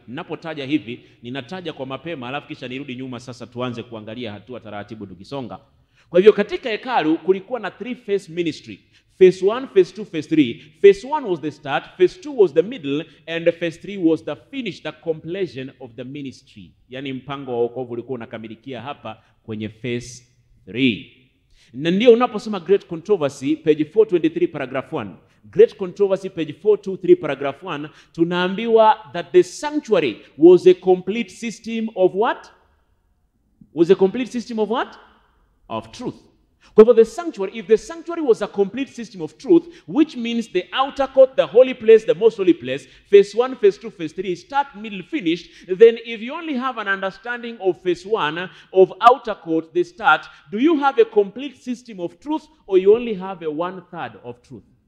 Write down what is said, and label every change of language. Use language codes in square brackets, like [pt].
[sw] Ninapotaja hivi, ninataja kwa mapema, alafu kisha nirudi nyuma sasa tuanze kuangalia hatua taratibu tukisonga. Kwa hivyo katika hekalu kulikuwa na [en] three phase ministry. Phase 1, phase 2, phase 3. Phase 1 was the start, phase 2 was the middle, and phase 3 was the finish, the completion of the ministry. [sw] Yaani mpango wa wokovu ulikuwa unakamilikia hapa kwenye phase 3. Na ndio unaposoma Great Controversy page 423 paragraph 1. [en] Great Controversy page 423 paragraph 1, [sw] tunaambiwa [en] that the sanctuary was a complete system of what? Was a complete system of what? Of truth. Because the sanctuary, if the sanctuary was a complete system of truth, which means the outer court, the holy place, the most holy place, phase 1, phase 2, phase 3, start, middle, finish, then if you only have an understanding of phase 1, of outer court, the start, do you have a complete system of truth or you only have a one-third of truth?